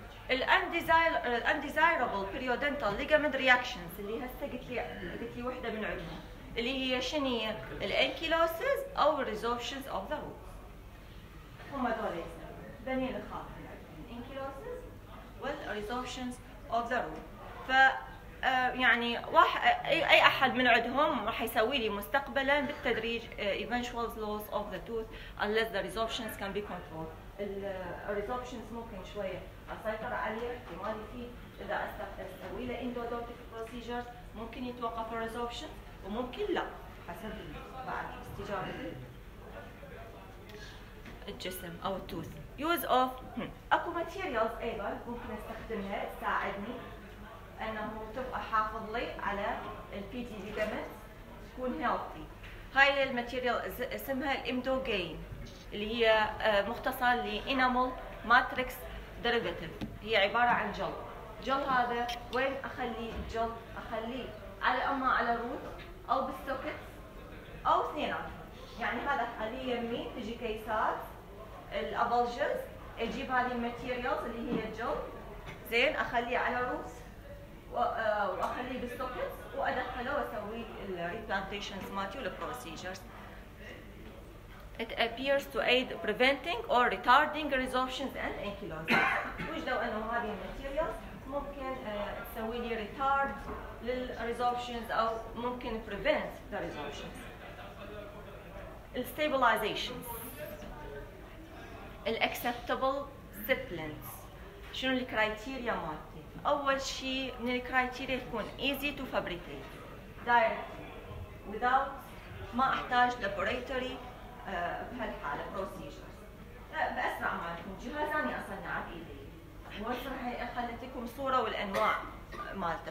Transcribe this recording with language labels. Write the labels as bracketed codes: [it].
[ar] الانديزايربل بريودنتال ليجامنت رياكشنز اللي هسه قلت لي وحده من عندهم اللي هي شنية الانكيلوسز او الريزوبشنز اوف ذا روت. هم دول بنين الخاطر الانكيلوسز والريزوبشنز اوف ذا روت. ف يعني اي احد من عندهم راح يسوي لي مستقبلا بالتدريج [en] eventual loss of the tooth unless the resorptions can be controlled. [ar] الريزوبشنز ممكن شويه اسيطر عليه احتمالي فيه اذا اسوي له endodontic procedures ممكن يتوقف الريزوبشن وممكن لا حسب بعد استجابه الجسم او التوث. يوز اوف اكو ماتيريالز ايضا ممكن استخدمها تساعدني انه تبقى حافظ لي على البي تي دي دامج تكون هيلثي. هاي الماتيريال اسمها الامدوجين اللي هي مختصه لانامول ماتريكس دريفيتيف. هي عباره عن جل. جل هذا وين اخليه؟ الجل اخليه على اما على الروت او بالسوكت او اثنين. يعني هذا اخليه يمي تجي كيسات الابلجز اجيب هذه الماتيريالز اللي هي الجل زين اخليه على روس واخليه بالسوكت وادخله واسوي الريبلانتيشنز ماتي والبروسيجرز. [en] It appears to aid preventing or retarding resorptions and ankylosis. [ar] وجدوا انه هذه الماتيريالز ممكن تسوي لي ريتارد للريزوبشنز او ممكن بريفنت ذا ريزوبشنز. الستابلايزيشنز الacceptable splints شنو الكرايتيريا مالتي؟ اول شيء من الكرايتيريا يكون [en] easy to fabricate directly without [ar] ما احتاج laboratory بهالحالة procedures باسرع ما يكون جهازاني اصنع بايدي واصر هي اخلتكم صورة والانواع مالته.